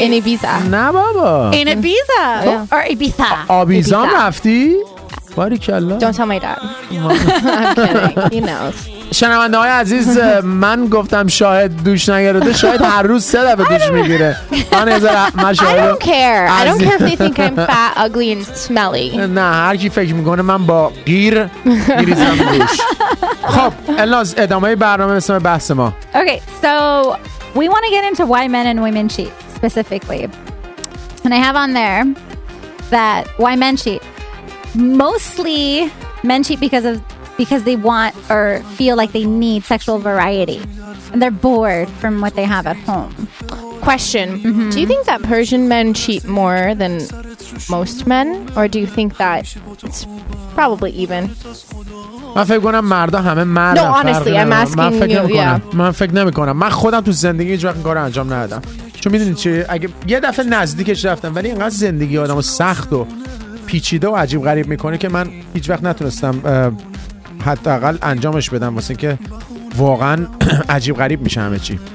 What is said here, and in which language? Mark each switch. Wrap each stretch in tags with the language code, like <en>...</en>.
<en>In Ibiza.</en> <fa>نه بابا.</fa> <en>In Ibiza. Or Ibiza.</en> <fa>آبیزا رفتی؟ باریکلا.</fa> <en>Don't tell my dad. I'm kidding. He knows.</en> <fa>شنونده های عزیز، من گفتم شاید دوش نگرده، شاید هر روز سه دفعه دوش میگیره. من از من شاید</fa> <en>I don't care if they think I'm fat, ugly and smelly.</en> <fa>نه هر کی فکر میکنه من با قیر میریزم دوش. خب الناز، ادامه برنامه اسم بحث ما.</fa> <en>Okay, so we want to get into why men and women cheat specifically. And I have on there that why men cheat. Mostly men cheat because they want or feel like they need sexual variety and they're bored from what they have at home. Question. Mm-hmm. Do you think that Persian men cheat more than most men, or do you think that it's probably even?</en> <fa>من فکر کنم مردا همه مرد هستن.</fa> <en>No, honestly, I'm asking you.</en> <fa>من فکر نمی کنم. من خودم تو زندگی هیچ وقت کارو انجام ندادم. چون میدونی چی؟ اگه یه دفعه نزدیکش رفتم، ولی اینقدر زندگی آدمو سخت و پیچیده و عجیب غریب میکنه که من هیچ وقت نتونستم حتی اقل انجامش بدم، واسه اینکه واقعا عجیب غریب میشه همه چی.</fa>